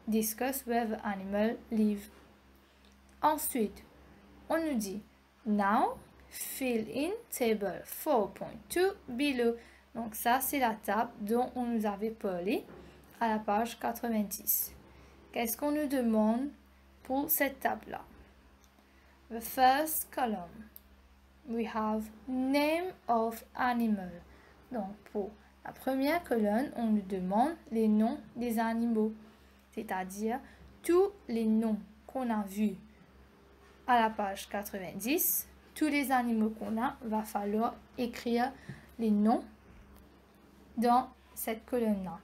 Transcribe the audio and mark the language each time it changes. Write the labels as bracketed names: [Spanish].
[English] Discuss where the animal live. [French] Ensuite, on nous dit [English] now fill in table 4.2 below. [French] Donc ça, c'est la table dont on nous avait parlé à la page 90. Qu'est-ce qu'on nous demande pour cette table-là? [English] The first column, we have name of animal. [French] Donc pour la première colonne, on nous demande les noms des animaux, c'est-à-dire tous les noms qu'on a vus à la page 90. Tous les animaux qu'on a, va falloir écrire les noms dans cette colonne-là.